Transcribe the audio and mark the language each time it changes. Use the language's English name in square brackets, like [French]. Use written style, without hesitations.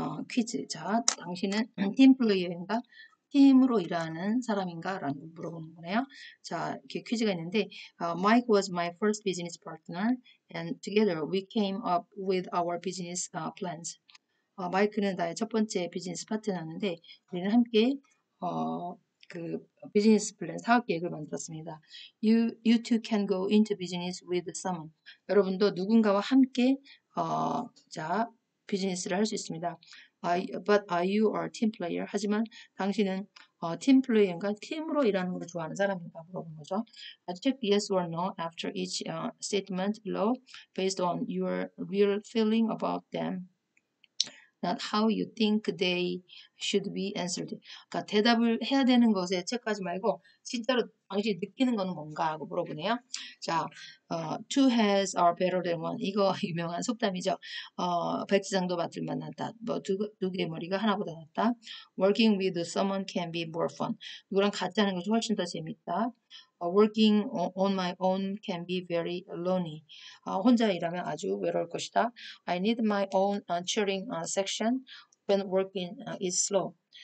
[Korean] 퀴즈 자, 당신은 팀 플레이어인가? 팀으로 일하는 사람인가? 라는 걸 물어보는 거네요. 자, 이렇게 퀴즈가 있는데 [English] Mike was my first business partner and together we came up with our business plans. [Korean] 마이크는 나의 첫 번째 비즈니스 파트너였는데 우리는 함께 비즈니스 플랜 사업 계획을 만들었습니다. [English] You two can go into business with someone. [Korean] 여러분도 누군가와 함께 자 비즈니스를 할수 있습니다. [English] But you are team player. [Korean] 하지만 당신은 팀 플레이어인가 팀으로 일하는 걸 좋아하는 사람인가 물어본 거죠. [English] Check yes or no after each statement below based on your real feeling about them. not how you think they should be answered. [Korean] 그러니까 대답을 해야 되는 것에 체크하지 말고 진짜로 당신이 느끼는 건 뭔가 하고 물어보네요. [English] 자, two heads are better than one. [Korean] 이거 유명한 속담이죠. 백지장도 받을 만하다. 뭐 두 개의 머리가 하나보다 낫다. [English] Working with someone can be more fun. [Korean] 누구랑 같이 하는 것이 훨씬 더 재밌다. [English] Working on my own can be very lonely. [Korean] 혼자 일하면 아주 외로울 것이다. [English] I need my own cheering section when working is slow.